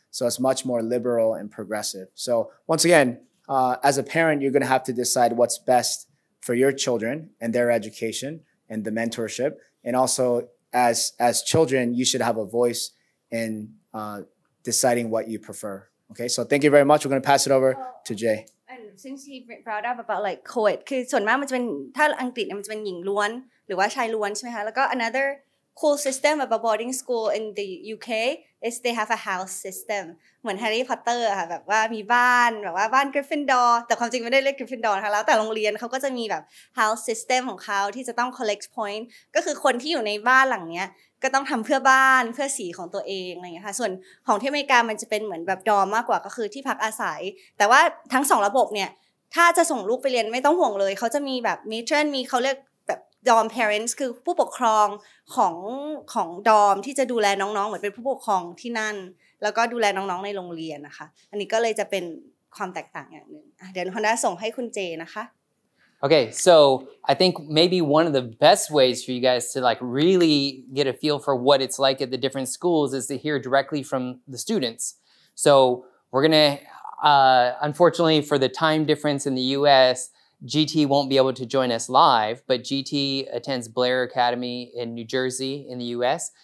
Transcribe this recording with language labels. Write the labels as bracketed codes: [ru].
[en] So it's much more liberal and progressive. So once again, as a parent, you're going to have to decide what's best for your children and their education and the mentorship and also,As children, you should have a voice in deciding what you prefer. Okay, so thank you very much. We're going to pass it over to Jay. And since he brought up about like co-ed, [th] คือส่วนมากมันจะเป็นถ้าอังกฤษมันจะเป็นหญิงล้วนหรือว่าชายล้วนใช่ไหมคะแล้วก็ [en] another cool system about boarding school in the UK is they have a house system. [th] เหมือน Harry Potter ค่ะแบบว่ามีบ้านแบบว่าบ้าน Gryffindor แต่ความจริงไม่ได้เรียก Gryffindor ค่ะแล้วแต่โรงเรียนเขาก็จะมีแบบ house system ของเขาที่จะต้อง collect point ก็คือคนที่อยู่ในบ้านหลังเนี้ยก็ต้องทำเพื่อบ้านเพื่อสีของตัวเองอะไรอย่างค่ะส่วนของที่อเมริกามันจะเป็นเหมือนแบบ dorm มากกว่าก็คือที่พักอาศัยแต่ว่าทั้งสองระบบเนี่ยถ้าจะส่งลูกไปเรียนไม่ต้องห่วงเลยเขาจะมีแบบ matron มีเขาเรียกdorm parents คือผู้ปกครองข อง dorm ที่จะดูแลน้องๆเหมือนเป็นผู้ปกครองที่นั่นแล้วก็ดูแลน้องๆในโรงเรียนนะคะอันนี้ก็เลยจะเป็นความแตกต่างอย่างนึงเดี๋ยวฮอนด้าส่งให้คุณเจนะคะ [en] Okay so I think maybe one of the best ways for you guys to like really get a feel for what it's like at the different schools is to hear directly from the students so we're going to unfortunately for the time difference in the US GT won't be able to join us live, but GT attends Blair Academy in New Jersey in the US.